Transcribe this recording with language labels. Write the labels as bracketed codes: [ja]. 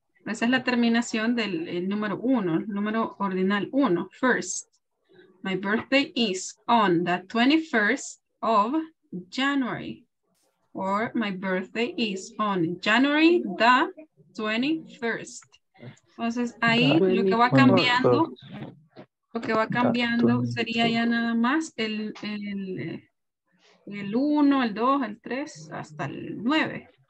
[es] Esa es la terminación del número 1, el número ordinal 1. [en] First. My birthday is on the 21st of January. Or my birthday is on January the 21st. [es] Entonces ahí lo que va cambiando, sería ya nada más el 1, el 2, el 3, hasta el 9.